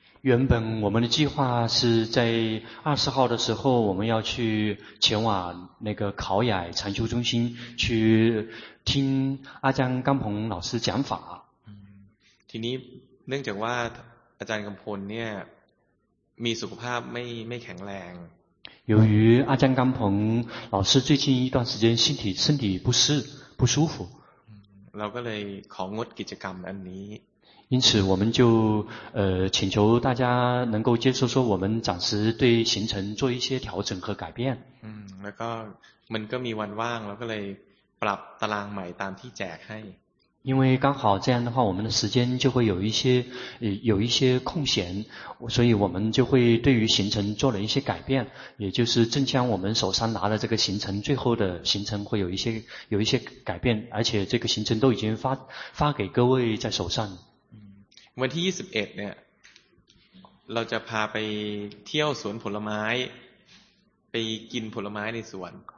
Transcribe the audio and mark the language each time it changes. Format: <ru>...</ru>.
<zh>原本我们的计划是在20号的时候我们要去前往那个考雅禅修中心去听阿江甘鹏老师讲法</zh> <th>ทีนี้เนื่องจากว่าอาจารย์กำพลเนี่ยมีสุขภาพไม่แข็งแรง</th> <zh>由于阿江甘鹏老师最近一段时间身体不舒服</zh> <th>เราก็เลยของดกิจกรรมอันนี้</th> <zh>因此我们就请求大家能够接受说我们暂时对行程做一些调整和改变</zh> <th>แล้วก็มันก็มีวันว่างเราก็เลยปรับตารางใหม่ตามที่แจกให้</th> <zh>因为刚好这样的话我们的时间就会有一些空闲，所以我们就会对于行程做了一些改变，也就是正像我们手上拿了这个行程，最后的行程会有一些改变，而且这个行程都已经发给各位在手上。</zh> <th>วันที่21เนี่ยเราจะพาไปเที่ยวสวนผลไม้ไปกินผลไม้ในสวน</th>